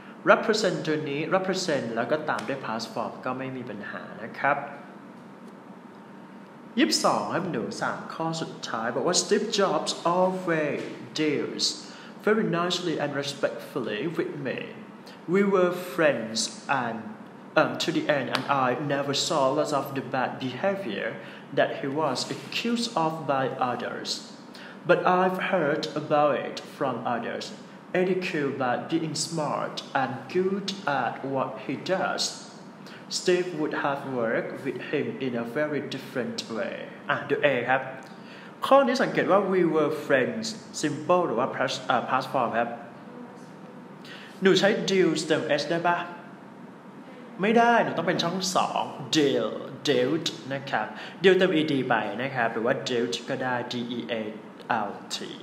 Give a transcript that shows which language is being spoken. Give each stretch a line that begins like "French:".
Thai: Represent ตัวนี้ represent แล้วก็ตามด้วย past form ก็ไม่มีปัญหานะครับ22ครับหนู3ข้อสุดท้ายบอกว่า
English: Steve Jobs always deals very nicely and respectfully with me. We were friends and to the end and I never saw lots of the bad behavior that he was accused of by others. But I've heard about it from others. ridiculed by being smart and good at what he does. Steve would have worked with him in a very different way.
Thai: And A ครับข้อนี้สังเกตว่า
English: we were friends simple
Thai: หรือว่า past form ครับหนูใช้ deal เติม s ได้ปะไม่ได้หนูต้องเป็นช่อง2 dealt นะครับ deal เติม ed ไปนะครับหรือว่า dealt ก็ได้ dealt